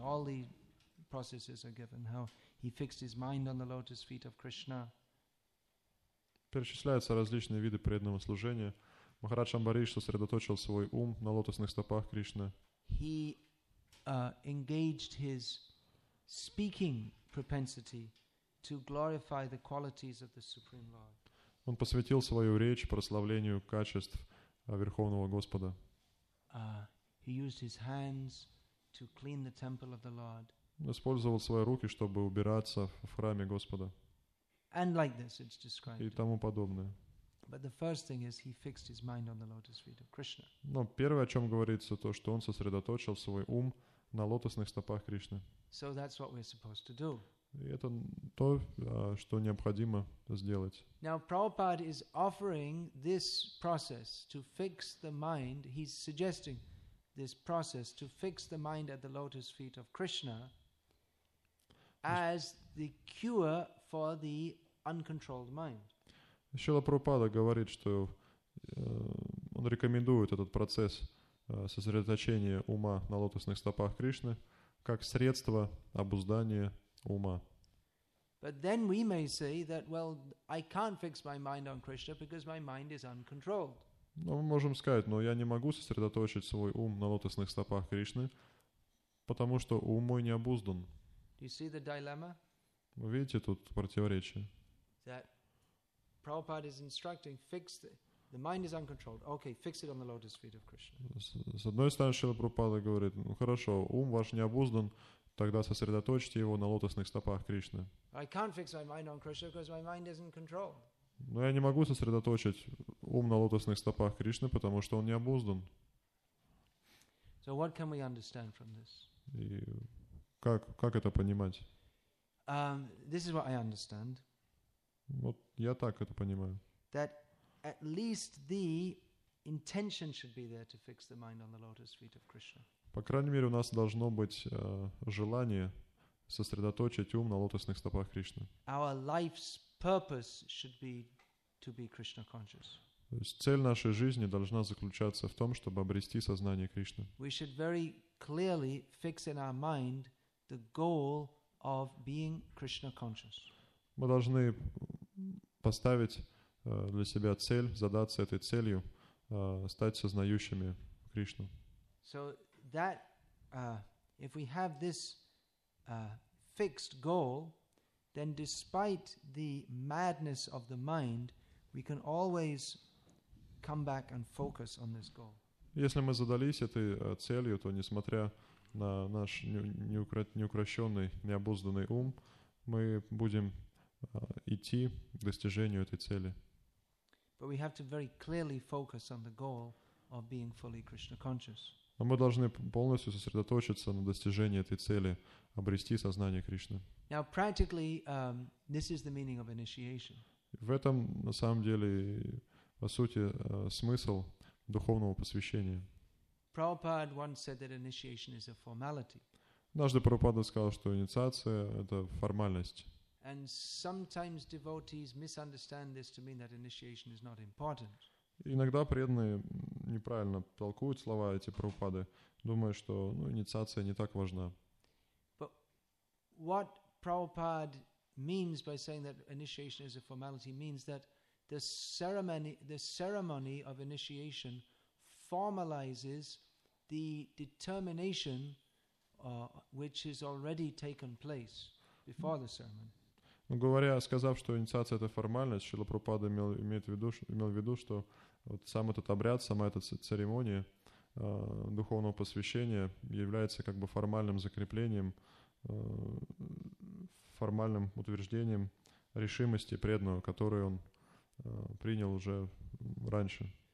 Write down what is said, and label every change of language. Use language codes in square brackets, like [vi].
[en] All the processes are given. How he fixed his mind on the lotus feet of Krishna. [ru] Перечисляются различные виды преданного служения. Махарадж Амбариш сосредоточил свой ум на лотосных стопах Кришны. [en] He engaged his speaking propensity to glorify the qualities of the Supreme Lord. [ru] Он посвятил свою речь прославлению качеств Верховного Господа. [en] He used his hands to clean the temple of the Lord. [ru] Использовал свои руки, чтобы убираться в храме Господа. [en] And like this it's described. [ru] И тому подобное. [en] But the first thing is he fixed his mind on the lotus feet of Krishna. [ru] Но первое, о чем говорится, то, что он сосредоточил свой ум на лотосных стопах Кришны. [en] So that's what we're supposed to do. [ru] И это то, что необходимо сделать. [en] Now Prabhupada is offering this process to fix the mind. He's suggesting this process to fix the mind at the lotus feet of Krishna as the cure for the uncontrolled mind. [ru] Шрила Прабхупада говорит, что он рекомендует этот процесс сосредоточения ума на лотосных стопах Кришны как средство обуздания ума. [en] But then we may say that, well, I can't fix my mind on Krishna because my mind is uncontrolled. [ru] Но мы можем сказать, но я не могу сосредоточить свой ум на лотосных стопах Кришны, потому что ум мой не обуздан. [en] Do you see the dilemma? [ru] Вы видите тут противоречие? [en] That Prabhupada is instructing, fix the mind is uncontrolled. Okay, fix it on the lotus feet of Krishna. [ru] С одной стороны, Шрила Прабхупада говорит, ну хорошо, ум ваш не обуздан, тогда сосредоточьте его на лотосных стопах Кришны. [en] I can't fix my mind on Krishna because my mind isn't controlled. [ru] Но я не могу сосредоточить ум на лотосных стопах Кришны, потому что он не обуздан. [en] So what can we understand from this? [ru] И как это понимать? [en] This is what I understand. [ru] Вот я так это понимаю. [en] That at least the intention should be there to fix the mind on the lotus feet of Krishna. [ru] По крайней мере, у нас должно быть желание сосредоточить ум на лотосных стопах Кришны. [en] Our life's purpose should be to be Krishna conscious. [ru] То есть цель нашей жизни должна заключаться в том, чтобы обрести сознание Кришны. [en] We should very clearly fix in our mind the goal of being Krishna conscious. [ru] Мы должны поставить для себя цель, задаться этой целью, стать сознающими Кришну. [en] So that if we have this fixed goal, then despite the madness of the mind, we can always come back and focus on this goal. [ru] Если мы задались этой целью, то несмотря на наш неукрощенный, необузданный ум, мы будем идти к достижению этой цели. [en] But we have to very clearly focus on the goal of being fully Krishna conscious. [ru] Но мы должны полностью сосредоточиться на достижении этой цели, обрести сознание Кришны. [en] Now, practically, this is the meaning of initiation. [ru] В этом, на самом деле, по сути, смысл духовного посвящения. [en] Prabhupada once said that initiation is a formality. [ru] Однажды Прабхупада сказал, что инициация – это формальность. [en] And sometimes devotees misunderstand this to mean that initiation is not important. [ru] Иногда преданные неправильно толкуют слова эти Прабхупады, думая, что инициация не так важна. [en] But what Prabhupada means by saying that initiation is a formality means that the ceremony of initiation formalizes the determination which has already taken place before the ceremony. [ru] Сказав, что инициация – это формальность, Шрила Прабхупада имел в виду, что вот сам этот обряд, сама эта церемония духовного посвящения является как бы формальным закреплением, формальным утверждением решимости преданного, которую он принял уже раньше.